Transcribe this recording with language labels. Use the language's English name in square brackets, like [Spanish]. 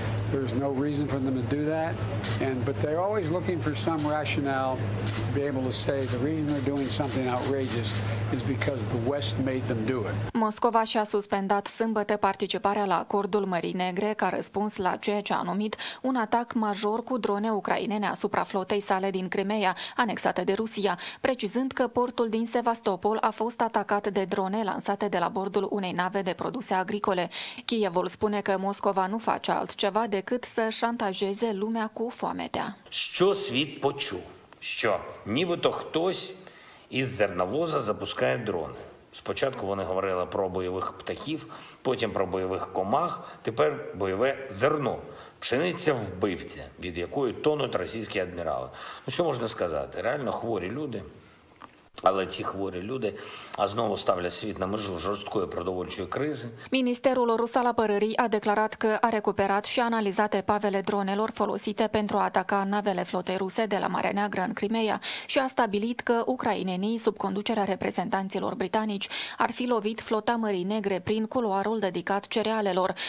[English] There's no reason for them to do that, and but they're always looking for some rationale to be able to say the reason they're doing something outrageous is because the West made them do it. [Romanian] Moscova și-a suspendat sâmbătă participarea la acordul Mării Negre ca răspuns la ceea ce a numit un atac major cu drone ucrainene asupra flotei sale din Crimeea, anexată de Rusia, precizând că portul din Sevastopol a fost atacat de drone lansate de la bordul unei nave de produse agricole. Kievul spune că Moscova nu face altceva decât să șantajeze lumea cu foamea. [Ukrainian] Що світ почув? Що нібито хтось із зерновоза запускає дрони. Спочатку вони говорили про бойових птахів, потім про бойових комах, тепер бойове зерно. Пшениця вбивця, від якої тонуть російські адмірали. Ну що можна сказати? Реально хворі люди. Але ці хворі люди, а знову ставлять світ на межу жорсткої продовольчої кризи. [Romanian] Ministerul rus al apărării a declarat că a recuperat și analizat epavele dronelor folosite pentru a ataca navele flotei ruse de la Marea Neagră în Crimeea și a stabilit că ucrainenii, sub conducerea reprezentanților britanici, ar fi lovit flota Mării Negre prin culoarul dedicat cerealelor.